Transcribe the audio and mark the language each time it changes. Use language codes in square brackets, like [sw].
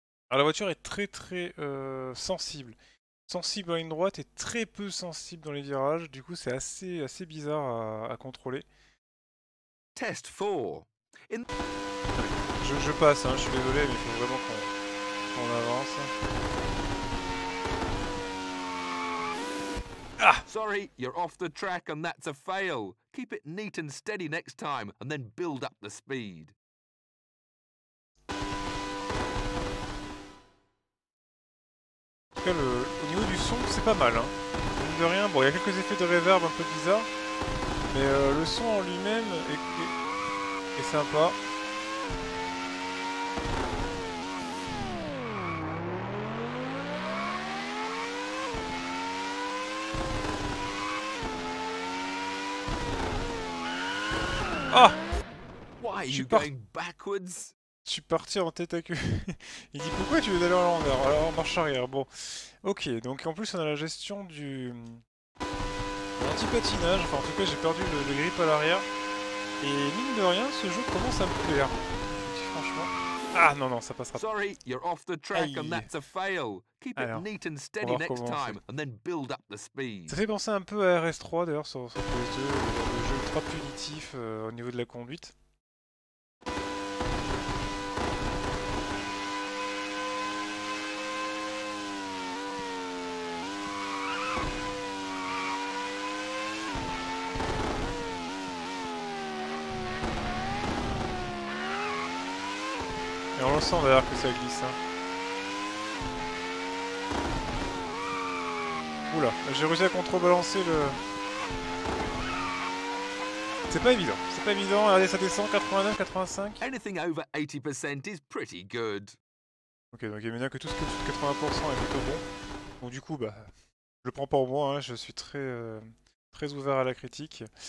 [fr] Alors la voiture est très très sensible. Sensible à une droite et très peu sensible dans les virages, du coup c'est assez bizarre à contrôler. [en] Test 4. [fr] Je passe, hein, je suis désolé, mais il faut vraiment qu'on avance. Ah! [en] Sorry, you're off the track and that's a fail. Keep it neat and steady next time and then build up the speed. [fr] En tout cas, au niveau du son, c'est pas mal, hein. Même de rien, bon, il y a quelques effets de reverb un peu bizarres, mais le son en lui-même est sympa. Ah! [en] Why are you going backwards? [fr] Je suis parti en tête à queue. Il dit pourquoi tu veux aller en longueur? Alors en marche arrière. Bon. Ok, donc en plus on a la gestion du. L'anti-patinage. Enfin, en tout cas, j'ai perdu le grip à l'arrière. Et mine de rien, ce jeu commence à me plaire. Franchement. Ah non non, ça passera pas. [en] Sorry, you're off the track. Aïe. And that's a fail. Keep [fr] Alors, [en] it neat and steady next time and then build up the speed. [fr] Ça fait penser un peu à RS3 d'ailleurs sur PS2, le jeu ultra punitif au niveau de la conduite. Et on le sent d'ailleurs que ça glisse. Hein. Oula, j'ai réussi à contrebalancer le. C'est pas évident, c'est pas évident. Regardez, ça descend 89, 85. [en] Anything over 80% is pretty good. [fr] Ok, donc il y a bien que tout ce qui est au-dessus de 80% est plutôt bon. Donc du coup, bah, je le prends pas au moins, hein. Je suis très, très ouvert à la critique.